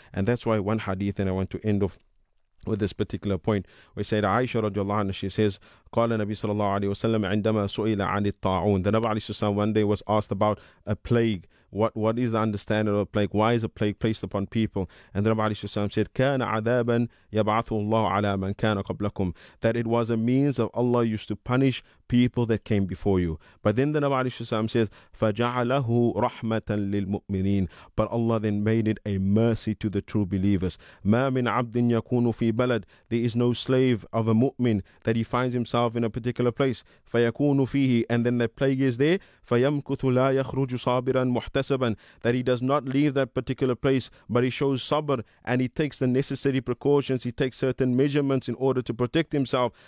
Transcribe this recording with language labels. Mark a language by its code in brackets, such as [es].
[en] And that's why one hadith, and I want to end off with this particular point, we said Aisha radiallahu anha, she says, [ar] قال النبي صلى الله عليه وسلم عندما سئل عن الطاعون. [en] The Nabi عليه السلام, one day was asked about a plague. What is the understanding of a plague? Why is a plague placed upon people? And the Nabi [ar] عليه السلام [en] said, [ar] كان عذابا يبعثه الله على من كان قبلكم. [en] That it was a means of Allah used to punish people that came before you. But then the Nabi عليه السلام says, [ar] فجعله رحمة للمؤمنين. [en] But Allah then made it a mercy to the true believers. [ar] ما من عبد يكون في بلد. [en] There is no slave of a mu'min that he finds himself in a particular place, [ar] فَيَكُونُ فِيهِ, [en] and then the plague is there, [ar] فَيَمْكُثُ لَا يَخْرُجُ صَابِرًا مُحْتَسَبًا, [en] that he does not leave that particular place, but he shows sabr and he takes the necessary precautions, he takes certain measurements in order to protect himself.